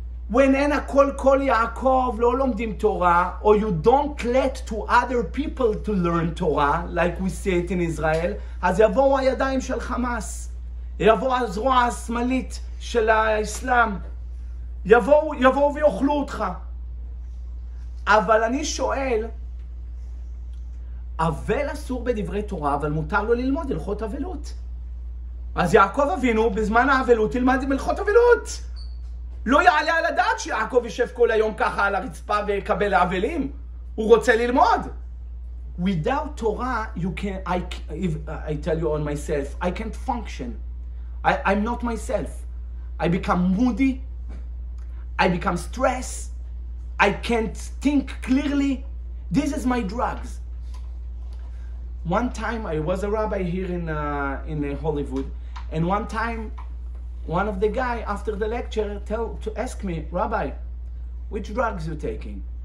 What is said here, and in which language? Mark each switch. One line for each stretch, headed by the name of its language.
Hebrew: When ena kol kol Yaakov lo lomdim Torah,
English: or you don't let to other people to learn Torah, like we see it in Israel,
Hebrew: אז יבואו הידיים של חמאס, יבואו הזרוע השמאלית של האסלאם, יבואו ויאכלו אותך. אבל אני שואל, אבל אסור בדברי תורה, אבל מותר לו ללמוד הלכות אבלות. אז יעקב אבינו, בזמן האבלות, תלמד עם הלכות אבלות. לא יעלה על הדעת שיעקב יישב כל היום ככה על הרצפה ויקבל לאבלים. הוא רוצה ללמוד.
English: Without Torah, you can, I tell you on myself, I can't function. I'm not myself. I become moody. I become stressed. I can't think clearly. This is my drugs. One time I was a rabbi here in Hollywood, and one time one of the guy after the lecture asked me, Rabbi, which drugs you taking?